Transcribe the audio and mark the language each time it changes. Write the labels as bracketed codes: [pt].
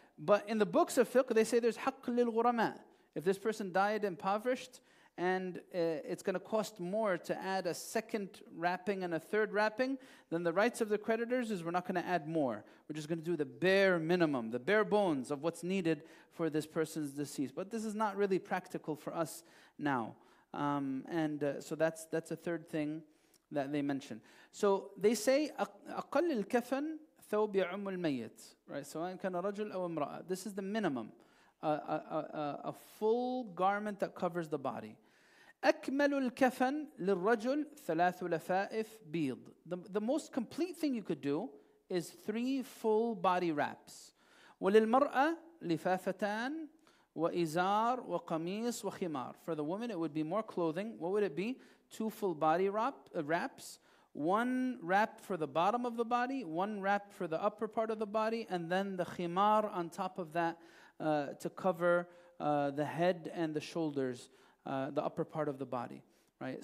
[en] But in the books of fiqh, they say there's haqq lil-ghurama. If this person died impoverished, and it's going to cost more to add a second wrapping and a third wrapping, then the rights of the creditors is we're not going to add more. We're just going to do the bare minimum, the bare bones of what's needed for this person's decease. But this is not really practical for us now. So that's a third thing that they mention. So they say [ar] أقل الكفن ثوب يعم الميت, [en] right? [ar] سواء كان رجل أو امرأة. [en] This is the minimum, a full garment that covers the body. [ar] أكمل الكفن للرجل ثلاث لفائف بيض. [en] The most complete thing you could do is three full body wraps. [ar] وللمرأة لفافتان وإزار وقميص وخمار. [en] For the woman, it would be more clothing. What would it be? Two full body wraps, one wrap for the bottom of the body, one wrap for the upper part of the body, and then the khimar on top of that to cover the head and the shoulders, the upper part of the body. Right.